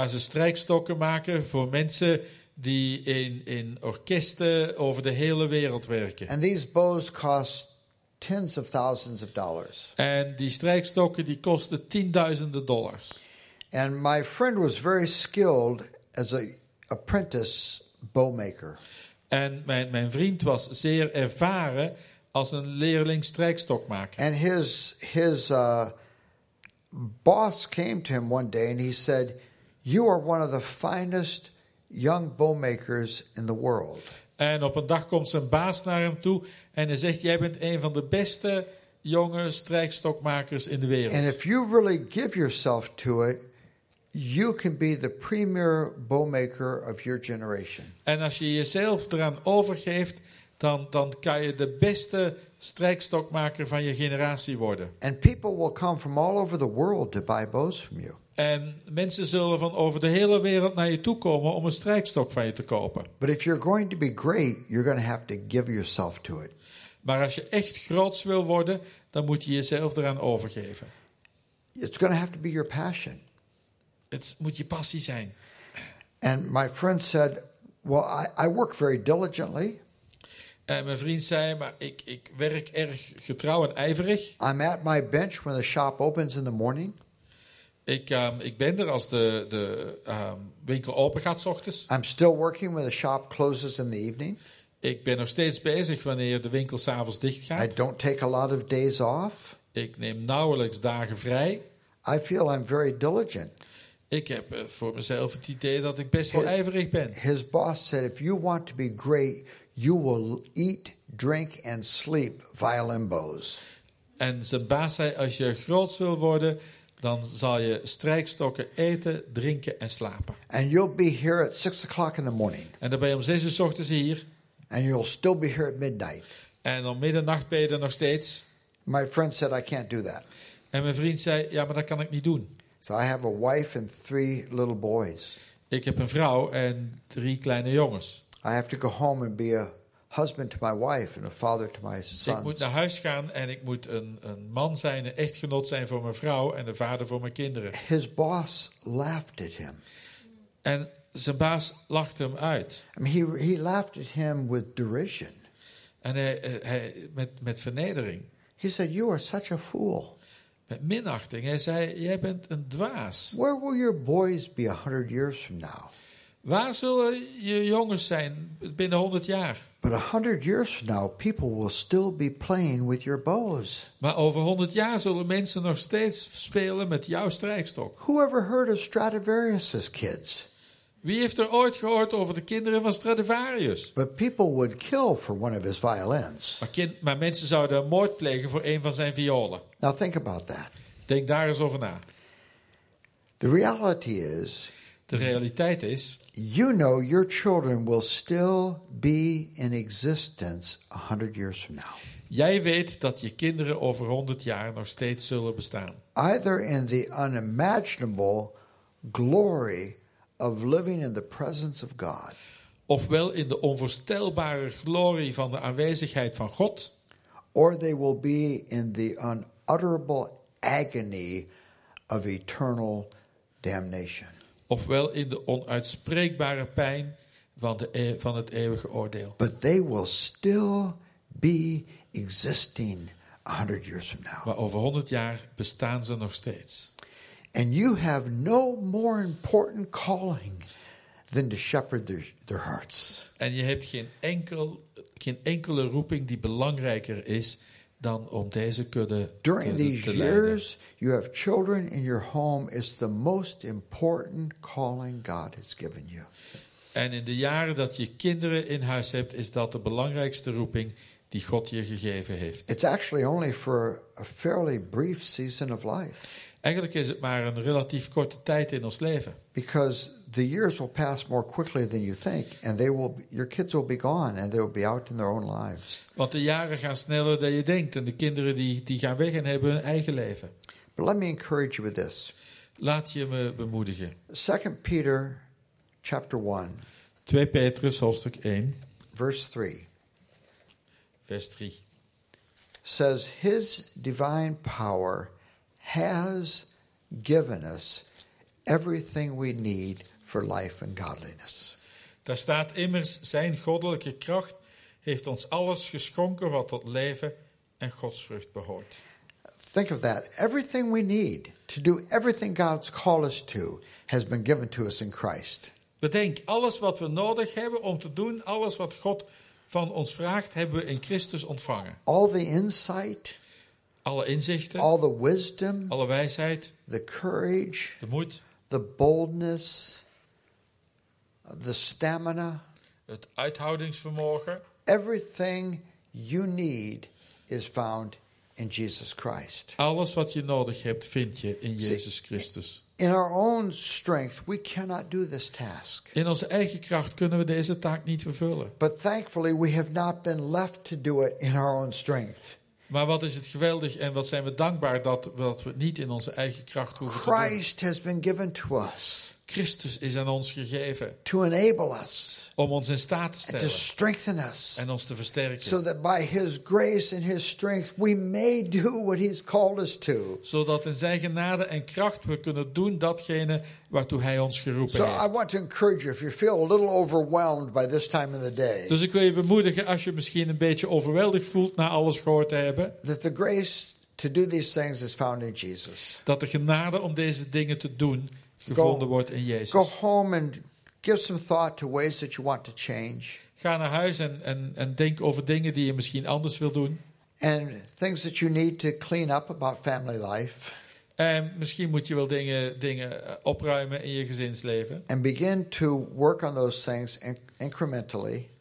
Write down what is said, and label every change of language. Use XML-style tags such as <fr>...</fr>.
<nl>Waar ze strijkstokken maken voor mensen die in orkesten over de hele wereld werken.</nl> <en>And these bows cost tens of thousands of dollars.</en> <nl>En die strijkstokken die kosten tienduizenden dollars.</nl> <en>And my friend was very skilled as an apprentice bowmaker.</en> <nl>En mijn vriend was zeer ervaren als een leerling strijkstokmaker.</nl> <en>And his boss came to him one day and he said, "You are one of the finest young bowmakers in the world."</en> <nl>En op een dag komt zijn baas naar hem toe en hij zegt: "Jij bent een van de beste jonge strijkstokmakers in de wereld."</nl> <en>And if you really give yourself to it, you can be the premier bowmaker of your generation.</en> <nl>En als je jezelf eraan overgeeft, dan kan je de beste strijkstokmaker van je generatie worden.</nl> <en>And people will come from all over the world to buy bows from you.</en> <nl>En mensen zullen van over de hele wereld naar je toe komen om een strijkstok van je te kopen.</nl> <en>But if you're going to be great, you're going to have to give yourself to it.</en> <nl>Maar als je echt groots wil worden, dan moet je jezelf eraan overgeven.</nl> <en>It's going to have to be your passion.</en> <nl>Het moet je passie zijn.</nl> <en>And my friend said, "Well, I work very diligently."</en> <nl>En mijn vriend zei, maar ik werk erg getrouw en ijverig.</nl> <en>I'm at my bench when the shop opens in the morning.</en> <nl>Ik ben er als de winkel open gaat 's ochtends.</nl> <en>I'm still working when the shop closes in the evening.</en> <nl>Ik ben nog steeds bezig wanneer de winkel 's avonds dicht gaat.</nl> <en>I don't take a lot of days off.</en> <nl>Ik neem nauwelijks dagen vrij.</nl> <en>I feel I'm very diligent.</en> <nl>Ik heb voor mezelf het idee dat ik best wel ijverig ben.</nl> <en>His boss said, "If you want to be great, you will eat, drink and sleep violin bows."</en> <nl>En zijn baas zei, als je groot wil worden, dan zal je strijkstokken eten, drinken en slapen.</nl> <en>And you'll be here at 6 o'clock in the morning.</en> <nl>En dan ben je om 6 uur 's ochtends hier.</nl> <en>And you'll still be here at midnight.</en> <nl>En om middernacht ben je er nog steeds.</nl> <en>My friend said, "I can't do that."</en> <nl>En mijn vriend zei, ja, maar dat kan ik niet doen.</nl> <en>So I have a wife and 3 little boys.</en> <nl>Ik heb een vrouw en 3 kleine jongens.</nl> <en>I have to go home and be a husband to my wife and a father to my sons.</en> <nl>Ik moet naar huis gaan en ik moet een man zijn, een echtgenoot zijn voor mijn vrouw en een vader voor mijn kinderen.</nl> <en>His boss laughed at him.</en> <nl>En zijn baas lachte hem uit.</nl> <en>I mean, he laughed at him with derision.</en> <nl>En hij met vernedering.</nl> <en>He said, "You are such a fool."</en> <nl>Met minachting. Hij zei, jij bent een dwaas.</nl> <en>Where will your boys be 100 years from now?</en> <nl>Waar zullen je jongens zijn binnen 100 jaar?</nl> <en>But 100 years from now, people will still be playing with your bows.</en> <nl>Maar over 100 jaar zullen mensen nog steeds spelen met jouw strijkstok.</nl> <en>Who ever heard of Stradivarius's kids?</en> <nl>Wie heeft er ooit gehoord over de kinderen van Stradivarius?</nl> <en>But people would kill for one of his violins.</en> <nl>Maar mensen zouden moord plegen voor een van zijn violen.</nl> <en>Now think about that.</en> <nl>Denk daar eens over na.</nl> <en>The reality is.</en> <nl>De realiteit is.</nl> <en>You know your children will still be in existence 100 years from now.</en> <nl>Jij weet dat je kinderen over 100 jaar nog steeds zullen bestaan.</nl> <en>Either in the unimaginable glory of living in the presence of God.</en> <nl>Ofwel in de onvoorstelbare glorie van de aanwezigheid van God.</nl> <en>Or they will be in the unutterable agony of eternal damnation.</en> <nl>Ofwel in de onuitspreekbare pijn van het eeuwige oordeel.</nl> <en>But they will still be existing 100 years from now.</en> <nl>Maar over 100 jaar bestaan ze nog steeds.</nl> <en>And you have no more important calling than to shepherd their hearts.</en> <nl>En je hebt geen enkele roeping die belangrijker is dan om deze kudde te leiden.</nl> <en>During these years, you have children in your home. It's the most important calling God has given you.</en> <nl>En in de jaren dat je kinderen in huis hebt, is dat de belangrijkste roeping die God je gegeven heeft.</nl> <en>It's actually only for a fairly brief season of life.</en> <nl>Eigenlijk is het maar een relatief korte tijd in ons leven.</nl> <en>Because the years will pass more quickly than you think, and they will, your kids will be gone, and they will be out in their own lives.</en> <nl>Want de jaren gaan sneller dan je denkt, en de kinderen die gaan weg en hebben hun eigen leven.</nl> <en>But let me encourage you with this.</en> <nl>Laat je me bemoedigen.</nl> <en>2 Peter chapter 1.</en> <nl>2 Petrus hoofdstuk 1. Vers 3.</nl> <en>Says his divine power has given us everything we need for life and godliness.</en> <nl>Daar staat immers, zijn goddelijke kracht heeft ons alles geschonken wat tot leven en godsvrucht behoort.</nl> <en>Think of that. Everything we need to do everything God's called us to has been given to us in Christ.</en> <nl>Bedenk, alles wat we nodig hebben om te doen, alles wat God van ons vraagt, hebben we in Christus ontvangen.</nl> <en>All the insight,</en> <nl>alle inzichten,</nl> <en>all the wisdom,</en> <nl>alle wijsheid,</nl> <en>the courage,</en> <nl>de moed,</nl> <en>the boldness, the stamina,</en> <nl>het uithoudingsvermogen.</nl> <en>Everything you need is found in Jesus Christ.</en> <nl>Alles wat je nodig hebt, vind je in Jezus Christus.</nl> <en>In our own strength, we cannot do this task.</en> <nl>In onze eigen kracht kunnen we deze taak niet vervullen.</nl> <en>But thankfully, we have not been left to do it in our own strength.</en> <nl>Maar wat is het geweldig en wat zijn we dankbaar dat we het niet in onze eigen kracht hoeven te doen.</nl> <en>Christ has been given to us.</en> <nl>Christus is aan ons gegeven.</nl> <en>To enable us.</en> <nl>Om ons in staat te stellen.</nl> <en>To strengthen us.</en> <nl>En ons te versterken.</nl> <en>So that by his grace and his strength we may do what he's called us to.</en> <nl>Zodat in zijn genade en kracht we kunnen doen datgene waartoe hij ons geroepen</nl> <en>so</en> <nl>heeft.</nl> <en>So I want to encourage you if you feel a little overwhelmed by this time of the day.</en> <nl>Dus ik wil je bemoedigen als je misschien een beetje overweldigd voelt na alles gehoord te hebben.</nl> <en>That the grace to do these things is found in Jesus.</en> <nl>Dat de genade om deze dingen te doen gevonden wordt in Jezus.</nl> <en>Go home and give some thought to ways that you want to change.</en> <nl>Ga naar huis en denk over dingen die je misschien anders wil doen.</nl> <en>And things that you need to clean up about family life.</en> <nl>En misschien moet je wel dingen opruimen in je gezinsleven.</nl> <en>And begin to work on those things incrementally.</en>